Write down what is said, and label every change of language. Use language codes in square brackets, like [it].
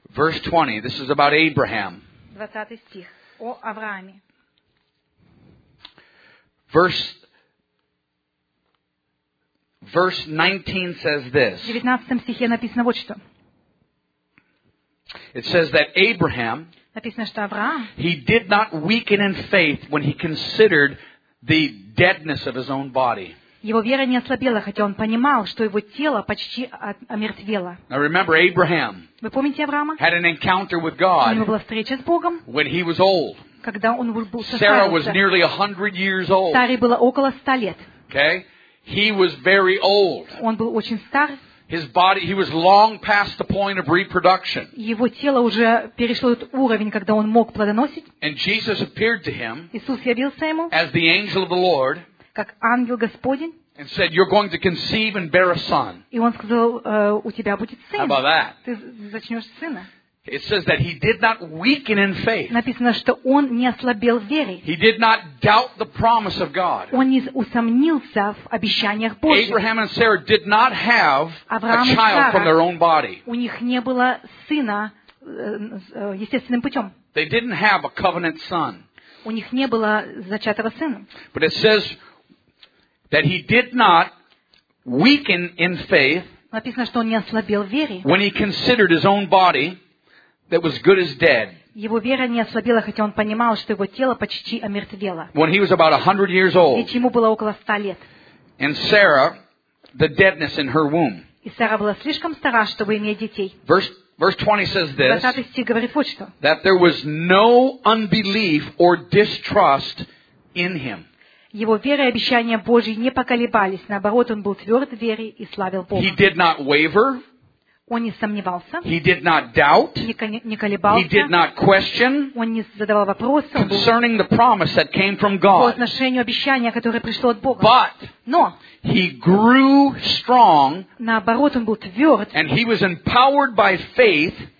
[en] Verse 20. This is about Abraham. [ru] 20 стих. О Аврааме. [en] Verse 19 says this. [ru] В 19 стихе написано вот что. [en] It says that Abraham, [ru] написано, что Авраам, [en] he did not weaken in faith when he considered the deadness of his own body. [ru] Его вера не ослабела, хотя он понимал, что его тело почти омертвело. [en] Now remember Abraham. [ru] Вы помните Авраама? [en] Had an encounter with God. [ru] У него была встреча с Богом. [en] When he was old. [ru] Когда он был состарился. [en] Sarah was nearly 100 years old. [ru] Саре было около 100 лет. [en] Okay? He was very old. [ru] Он был очень стар. [en] His body, he was long past the point of reproduction. [ru] Его тело уже перешло этот уровень, когда он мог плодоносить. [en] And Jesus appeared to him. [ru] Иисус явился ему. [en] As the angel of the Lord. [ru] Как ангел Господень. [en] And said, "You're going to conceive and bear a son." [ru] И он сказал, у тебя будет сын. [en] How about that? [ru] Ты зачнешь сына. [en] It says that he did not weaken in faith. [ru] Написано, что он не ослабел в вере. [en] He did not doubt the promise of God. [ru] Он не усомнился в обещаниях Божьих. [en] Abraham and Sarah did not have [ru] Авраам [en] a child from their own body. [ru] У них не было сына естественным путем. [en] They didn't have a covenant son. [ru] У них не было зачатого сына. [en] But it says that he did not weaken in faith. [ru] Написано, что он не ослабел в вере. [en] When he considered his own body. That was good as dead. [ru] Его вера не ослабела, хотя он понимал, что его тело почти омертвело. [en] When he was about 100 years old. [ru] Ведь ему было около 100 лет. [en] And Sarah, the deadness in her womb. [ru] И Сара была слишком стара, чтобы иметь детей. [en] Verse 20 says this. [ru] 20 стих говорит вот что. [en] That there was no unbelief or distrust in him. [ru] Его вера и обещания Божьи не поколебались, наоборот, он был тверд в вере и славил Бога. [en] He did not waver. [ru] Он не сомневался. [en] He did not doubt. [ru] Не колебался. [en] He did not question. [ru] Он не задавал вопросов. [en] Concerning the promise that came from God. [ru] По отношению обещания, которое пришло от Бога. [en] But. [ru] Но. [en] He grew strong. [ru] Наоборот, он был тверд. [en] And he was empowered by faith.